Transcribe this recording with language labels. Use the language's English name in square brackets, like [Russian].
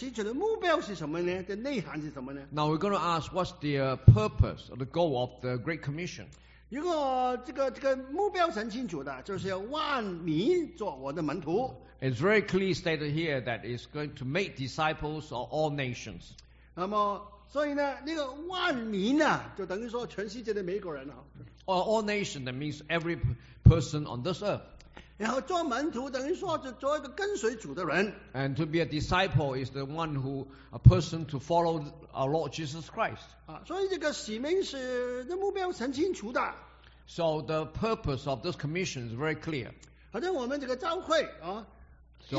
[Chinese] 然后跟着呢，这个大使命啊，这提取的目标是什么呢？这内涵是什么呢？ [English] Now we're going to ask what's the purpose or the goal of the Great Commission. [Chinese] 如果这个目标很清楚的，就是要万民做我的门徒。 [English] It's very clearly stated here that it's going to make disciples of all nations. [Chinese] 那么，所以呢，那个万民呢，就等于说全世界的每一个人啊。 [English] All nations, that means every person on this earth. [Chinese] 然后做门徒等于说，就做一个跟随主的人。 [English] And to be a disciple is the one who a person to follow our Lord Jesus Christ. [Chinese] 所以这个使命是的目标是很清楚的。 [English] So the purpose of this commission is very clear. [Chinese] 好像我们这个教会啊， [English] so